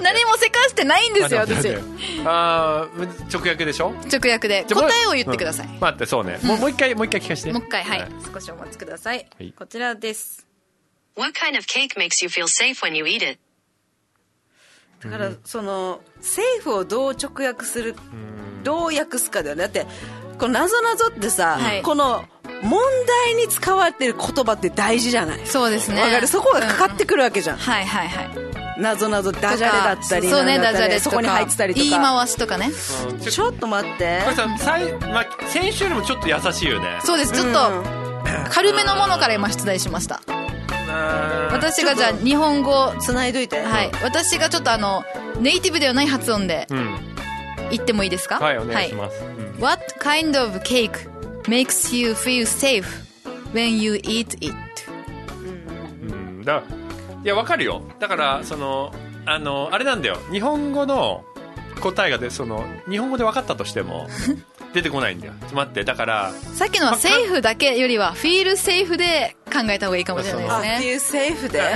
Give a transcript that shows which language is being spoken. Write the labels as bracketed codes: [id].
[ja] 何もせかしてないんですよ私。ああ直訳でしょ。直訳で答えを言ってください。待ってそうね。もう一回聞かせて。もう一回はい、はい、少しお待ちください。はい、こちらです。 [en] What kind of cake makes you feel safe when you eat it? [ja] だからそのセーフをどう直訳する、うん、どう訳すかだよね。だってこの謎々ってさ、はい、この問題に使われてる言葉って大事じゃない。そうですね。わかる。そこがかかってくるわけじゃん。うん、はいはいはい。謎々ダジャレだったり、そうね、ダジャレそこに入ってたりとか、言い回しとかね。ちょっと待って。これさ、まあ、先週よりもちょっと優しいよね。そうです。ちょっと軽めのものから今出題しました。私がじゃあ日本語つないどいて、はい、私がちょっとあのネイティブではない発音で言ってもいいですか、うん、はいお願いします、 [en] はい、What kind of cake makes you feel safe when you eat it? [ja] うん、だいや分かるよ。だからその、あの、あれなんだよ、日本語の答えがで、その日本語で分かったとしても出てこないんだよ。待って、だからさっきのはセーフだけよりはフィールセーフで考えた方がいいかもしれないですね。フィールセーフで、